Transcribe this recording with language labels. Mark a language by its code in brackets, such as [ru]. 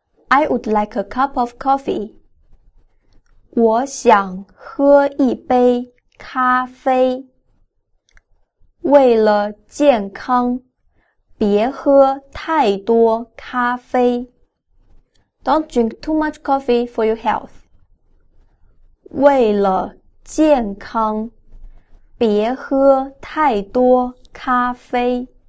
[en] I would like a cup of coffee. [zh] 我想喝一杯咖啡。为了健康，别喝太多咖啡。 [en] Don't drink too much coffee for your health. [zh] 为了健康，别喝太多咖啡。